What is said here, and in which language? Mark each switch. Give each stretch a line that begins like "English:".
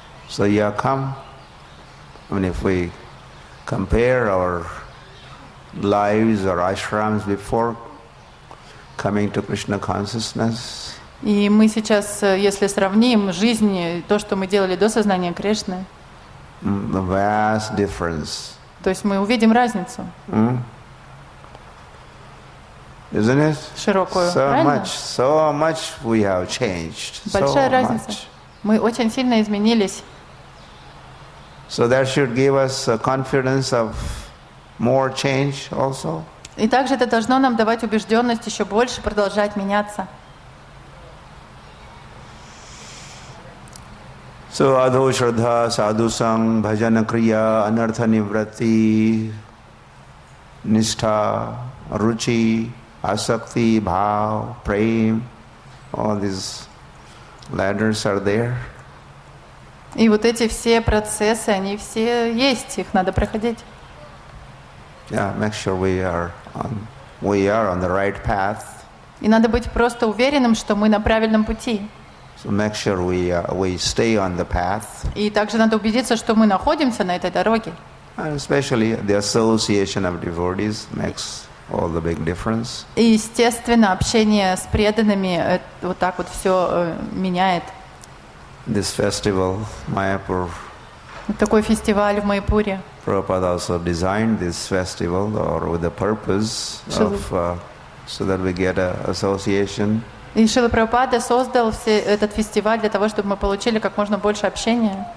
English: So you come. I mean, if we compare our lives or ashrams before coming to Krishna consciousness.
Russian: И мы сейчас, если сравним жизнь, то, что мы делали до сознания Кришны.
English: the vast difference.
Russian: То есть мы увидим разницу.
English: Isn't it?
Russian: Широкую.
English: So much, so much we have changed.
Russian: Большая
English: so
Russian: разница.
English: Much.
Russian: Мы очень сильно изменились.
English: So that should give us a confidence of more change also.
Russian: И также это должно нам давать убежденность еще больше продолжать меняться.
Sanskrit: So adho shraddha sadhu sang bhajana kriya anartha nivratti nishtha ruchi asakti bhav prem,
English: all these ladders are there.
Russian: И вот эти все процессы, они все есть, их надо проходить.
English: Yeah, make sure we are on the right path.
Russian: И надо быть просто уверенным, что мы на правильном пути.
English: So make sure we stay on the path.
Russian: И также надо убедиться, что мы находимся на этой дороге.
English: And especially the association of devotees makes all the big difference.
Russian: И естественно, общение с преданными вот так вот все меняет.
English: This festival, Mayapur.
Russian: Такой фестиваль в Майпуре.
English: Prabhupada also designed this festival, or with the purpose of so that we get an association.
Russian: И Шрила Прабхупада создал все этот фестиваль для того, чтобы мы получили как можно больше общения.